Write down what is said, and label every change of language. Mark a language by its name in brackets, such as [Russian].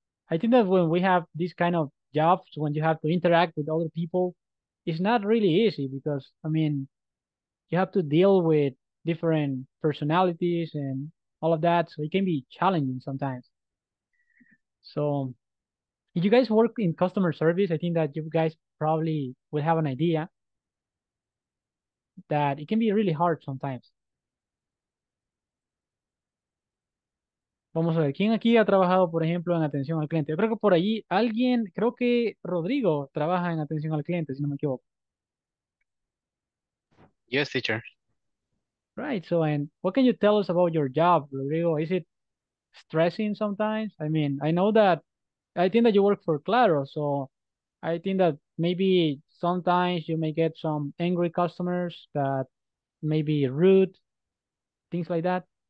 [English] I think that when we have these kind of jobs, when you have to interact with other people, it's not really easy because, I mean, you have to deal with different personalities and all of that. So it can be challenging sometimes. So if you guys work in customer service, I think that you guys probably would have an idea that it can be really hard sometimes. [Spanish] Vamos a ver, ¿quién aquí ha trabajado, por ejemplo, en atención al cliente? Yo creo que por allí alguien, creo que Rodrigo trabaja en atención al cliente, si no me equivoco. [English] Yes, teacher. Right, so and what can you tell us about your job, Rodrigo? Is it stressing sometimes? I mean, I know that, I think that you work for Claro, so I think that maybe sometimes you may get some angry customers that may be rude, things like that.